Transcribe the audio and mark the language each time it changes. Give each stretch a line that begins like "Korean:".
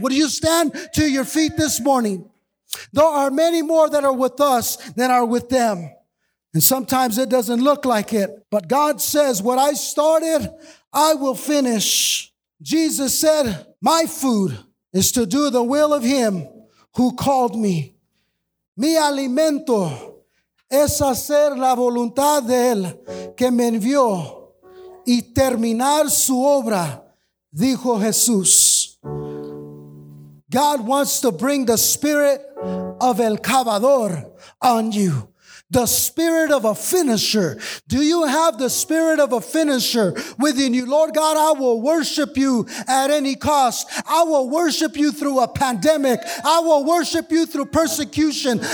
English: Would you stand to your feet this morning? There are many more that are with us than are with them. And sometimes it doesn't look like it, but God says, what I started, I will finish. Jesus said, my food is to do the will of him who called me.
Spanish: Mi alimento es hacer la voluntad de él que me envió y terminar su obra, dijo Jesús.
English: God wants to bring the spirit of El Cavador on you. The spirit of a finisher. Do you have the spirit of a finisher within you? Lord God, I will worship you at any cost. I will worship you through a pandemic. I will worship you through persecution.